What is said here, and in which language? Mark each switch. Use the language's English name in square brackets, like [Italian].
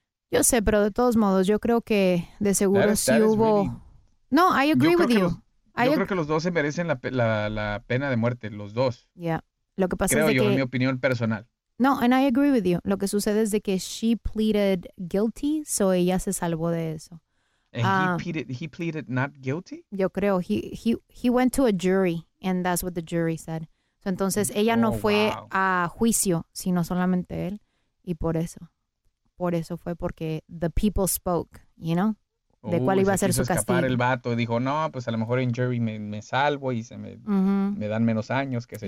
[Spanish] Yo sé, pero de todos modos, yo creo que de seguro sí hubo... [English] No, I agree with you. [Spanish] Yo creo que los dos se merecen la pena de muerte, los dos. Yeah. Lo que pasa es que... Creo yo, en mi opinión personal. [English] No, and I agree with you. [Spanish] Lo que sucede es de que [English] she pleaded guilty, so [Spanish] ella se salvó de eso. [English] And he pleaded not guilty? [Spanish] Yo creo. [English] He went to a jury, and that's what the jury said. [Spanish] So, entonces, ella no fue a juicio, sino solamente él, y por eso... Por eso fue porque [English] the people spoke, you know, [Spanish] de cuál iba a ser su castigo. Escapar el vato y dijo, no, pues a lo mejor en jury me salvo y se me, uh-huh. me dan menos años, qué sé